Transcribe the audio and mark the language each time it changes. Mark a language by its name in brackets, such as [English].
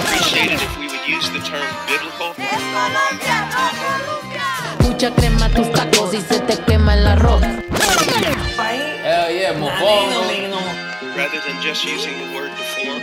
[English] Appreciate it if we would use the term biblical. [Spanish] Es Colombia, no Colombia! Mucha crema tus tacos y se te quema el arroz. [English] Hell yeah, mofón. Rather than just using the word before.